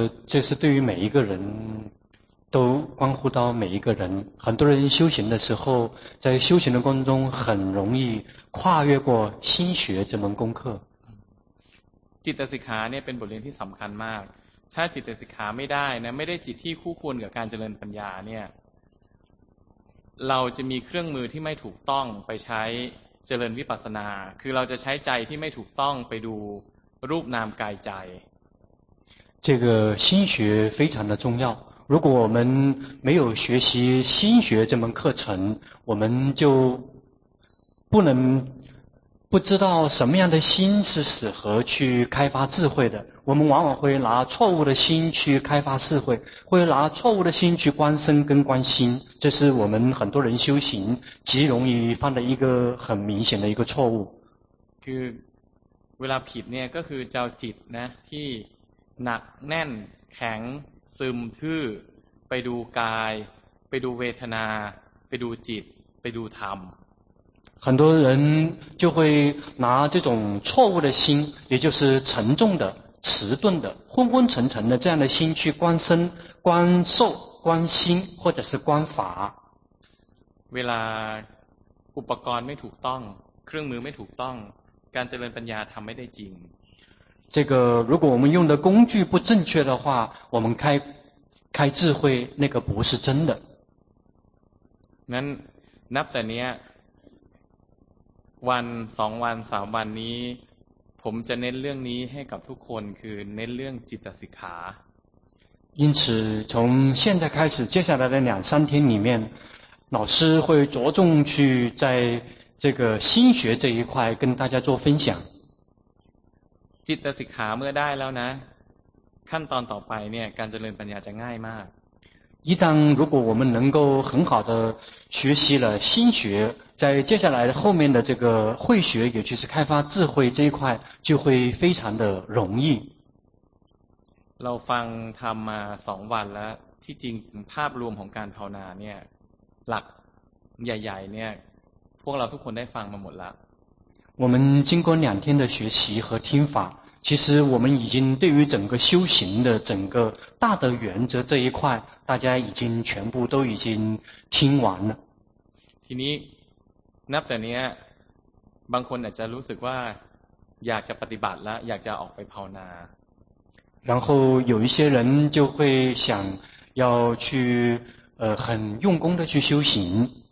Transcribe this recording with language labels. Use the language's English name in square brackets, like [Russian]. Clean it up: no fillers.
[Chinese] 这是对于每一个人都关乎到每一个人很多人修行的时候在修行的过程中很容易跨越过心学这门功课 [Thai] จิตสิกขาเนี่ยเป็นบทเรียนที่สำคัญมากถ้าจิตสิกขาไม่ได้นะไม่ได้จิตที่คู่ควรกับการเจริญปัญญาเนี่ยเราจะมีเครื่องมือที่ไม่ถูกต้องไปใช้เจริญวิปัสสนาคือเราจะใช้ใจที่ไม่ถูกต้องไปดูรูปนามกายใจ [Chinese] 这个心学非常的重要如果我们没有学习心学这门课程我们就不能不知道什么样的心是适合去开发智慧的我们往往会拿错误的心去开发智慧会拿错误的心去观身跟观心这是我们很多人修行极容易犯的一个很明显的一个错误 [Thai] คือเวลาผิดเนี่ยก็คือเจ้าจิตนะที่หนักแน่นแข็งซึมทื่อไปดูกายไปดูเวทนาไปดูจิตไปดูธรรม [Chinese] 很多人就会拿这种错误的心也就是沉重的迟钝的昏昏沉沉的这样的心去观身观受观心或者是观法 [Thai] เวลาอุปกรณ์ไม่ถูกต้องเครื่องมือไม่ถูกต้องการเจริญปัญญาทำไม่ได้จริง [Chinese] 这个如果我们用的工具不正确的话我们开智慧那个不是真的 [Thai] งั้นนับแต่เนี้ยวันสองวันสามวันนี้ผมจะเน้นเรื่องนี้ให้กับทุกคนคือเน้นเรื่องจิตสิกขา [Chinese] 因此从现在开始接下来的两三天里面老师会着重去在这个心学这一块跟大家做分享 [Thai] จิตสิกขาเมื่อได้แล้วนะขั้นตอนต่อไปเนี่ยการเจริญปัญญาจะง่ายมาก [Chinese] 一旦如果我们能够很好的学习了心学在接下来后面的这个慧学也就是开发智慧这一块就会非常的容易 [Thai] เราฟังทำมาสองวันแล้วที่จริงภาพรวมของการภาวนาเนี่ยหลักใหญ่ๆเนี่ยพวกเราทุกคนได้ฟังมาหมดแล้ว [Chinese] 我们经过两天的学习和听法其实我们已经对于整个修行的整个大的原则这一块大家已经全部都已经听完了 [Thai] ทีนี้นับแต่นี้บางคนอาจจะรู้สึกว่าอยากจะปฏิบัติแล้วอยากจะออกไปภาวนา [Chinese] 然后有一些人就会想要去很用功的去修行